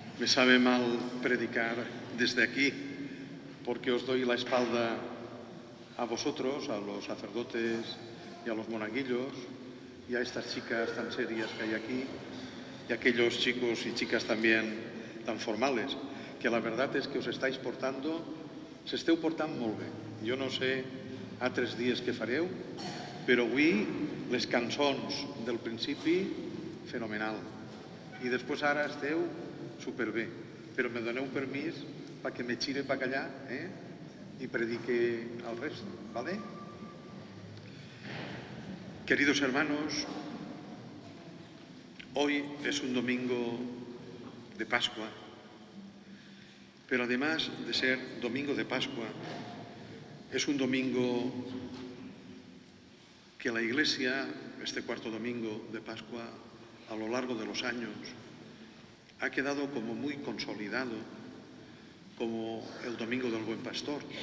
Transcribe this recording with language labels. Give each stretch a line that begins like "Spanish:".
Spanish: Me sabe mal predicar desde aquí, porque os doy la espalda a vosotros, a los sacerdotes y a los monaguillos, y a estas chicas tan serias que hay aquí, y a aquellos chicos y chicas también tan formales, que la verdad es que os estáis portando,
Catalan: se esteu portant molt bé. Jo no sé a tres dies què fareu, però avui les cançons del principi, fenomenal. I després ara esteu superbé, però me doneu permís perquè me xire per allà, i predique el rest, ¿vale?
Spanish: Queridos hermanos, hoy es un domingo de Pascua, pero además de ser domingo de Pascua, es un domingo que la Iglesia, este cuarto domingo de Pascua, a lo largo de los años, ha quedado como muy consolidado, como el domingo del buen pastor.